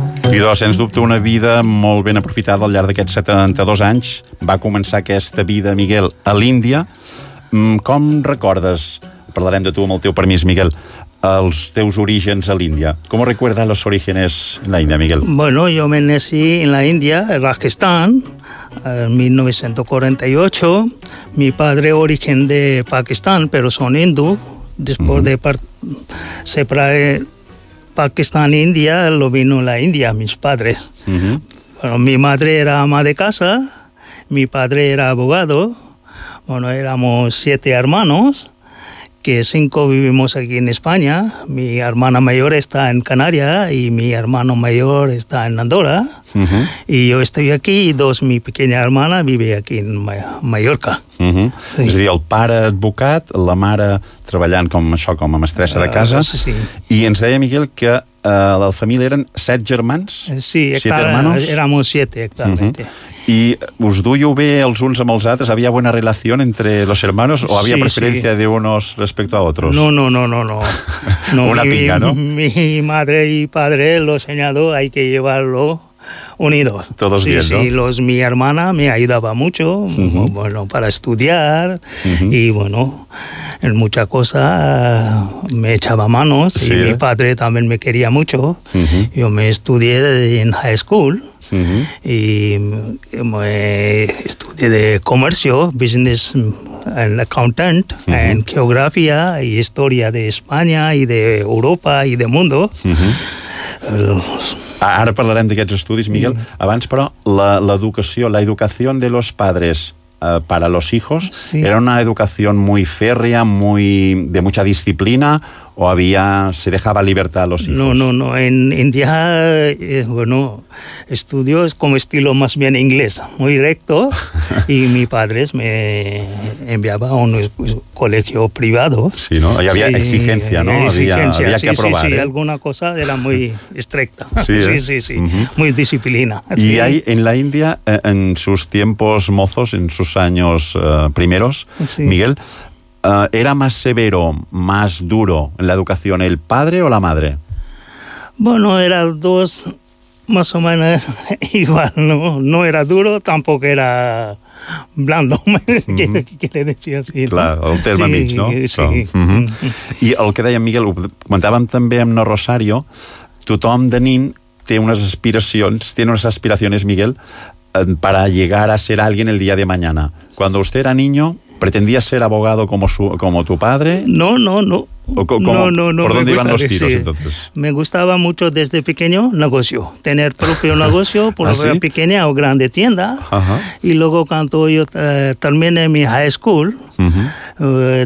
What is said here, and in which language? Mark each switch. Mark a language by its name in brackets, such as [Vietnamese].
[Catalan] I doncs, sens dubte, una vida molt ben aprofitada al llarg d'aquests 72 anys. Va començar aquesta vida, Miguel, a l'Índia. Com recordes, parlarem de tu amb el teu permís, Miguel, els teus orígens a l'Índia? [Spanish] ¿Cómo recuerdas los orígenes en la India, Miguel? Bueno, yo me nací en la India, en Pakistán, en 1948. Mi padre origen de Pakistán, pero son hindú. Después de separar Pakistán e India lo vino la India, mis padres. Uh-huh. Bueno, mi madre era ama de casa, mi padre era abogado. Bueno, éramos 7 hermanos, que 5 vivimos aquí en España. Mi hermana mayor está en Canarias y mi hermano mayor está en Andorra. Uh-huh. Y yo estoy aquí y mi pequeña hermana vive aquí en Mallorca. Uh-huh. [Catalan] Sí. És a dir, el pare advocat, la mare treballant com això, com a mestressa de casa. Sí. I ens deia, Miguel, que la família eren 7 germans? [Spanish] Sí, 7 hermanos. Éramos 7, exactamente. [Catalan] Uh-huh. I us duiu bé els uns amb els altres? [Spanish] ¿Había buena relación entre los hermanos o había preferencia de unos respecto a otros? No. Una pica, ¿no? Mi madre y padre lo señado, hay que llevarlo unidos. Todos sí, bien, sí. ¿No? Los, mi hermana me ayudaba mucho, uh-huh. bueno, para estudiar, uh-huh. y bueno, en mucha cosa me echaba manos, sí, y mi padre también me quería mucho. Uh-huh. Yo me estudié en high school, uh-huh. y me estudié de comercio, [English] business and accountant, [Spanish] uh-huh. en geografía y historia de España y de Europa y de mundo. [Catalan] Uh-huh. Ara parlarem d'aquests estudis, Miguel. Sí. Abans, però, l'educació, [Spanish] la educació de los padres para los hijos, sí. era una educació muy férrea, muy, de mucha disciplina, o había, se dejaba libertad a los hijos? No. En India, bueno, estudios como estilo más bien inglés, muy recto, y mis padres me enviaban a un colegio privado. Sí, ¿no? Ahí había exigencia, ¿no? Exigencia, había que aprobar. Sí, ¿eh? Alguna cosa era muy estricta. Sí, ¿eh? Sí. Uh-huh. Muy disciplina. Y sí. ahí, en la India, en sus tiempos mozos, en sus años primeros, sí. Miguel, ¿era más severo, más duro en la educación el padre o la madre? Bueno, eran dos más o menos igual, ¿no? No era duro, tampoco era blando, ¿quiere decir así? [Catalan] Claro, el terme sí, mig, ¿no? Sí. So, uh-huh. I el que deia Miguel, comentàvem també amb no Rosario, tothom de nin té unes aspiracions, Miguel, [Spanish] para llegar a ser alguien el día de mañana. Cuando usted era niño, ¿pretendía ser abogado como tu padre? No. ¿Por dónde iban los tiros, entonces? Me gustaba mucho desde pequeño negocio, tener propio negocio, por ¿Ah, sí? una pequeña o grande tienda. Ajá. Y luego cuando yo terminé mi high school, uh-huh.